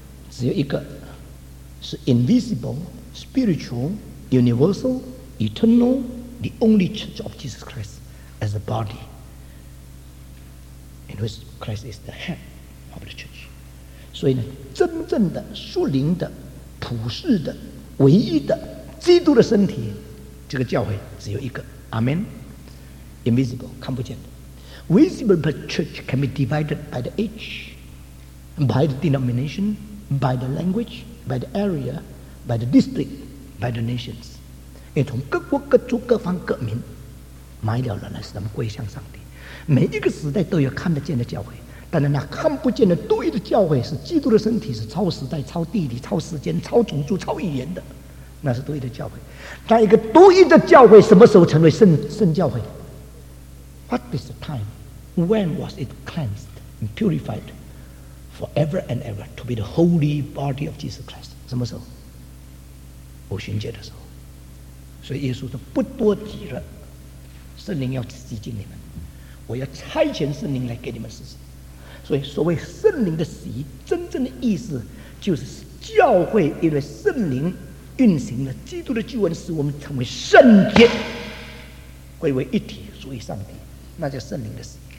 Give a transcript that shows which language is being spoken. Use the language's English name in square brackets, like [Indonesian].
[Chinese] 只有一个，是 [English] invisible spiritual universal eternal the only church of Jesus Christ as a body in which Christ is the head of the church。 [Chinese] 所以呢，真正的属灵的普世的唯一的基督的身体，这个教会只有一个。 [English] Amen。 Invisible [Chinese] 看不见的， [English] Visible but church can be divided by the age, by the denomination, by the language, by the area, by the district, by the nations。 [Chinese] 也从各国各族各方各民买了人来使他们归向上帝。每一个时代都有看得见的教会，但是那看不见的对的教会是基督的身体，是超时代超地理超时间超种族超语言的，那是对的教会。那一个对的教会什么时候成为 圣教会？ [English] What is the time? When was it cleansed and purified forever and ever to be the holy body of Jesus Christ? [Chinese] 什么时候？五旬节的时候。所以耶稣说不多急了，圣灵要洗净你们，我要差遣圣灵来给你们施洗。所以所谓圣灵的洗，真正的意思就是教会因为圣灵运行了基督的救恩，使我们成为圣洁，归为一体，属于上帝，那叫圣灵的洗。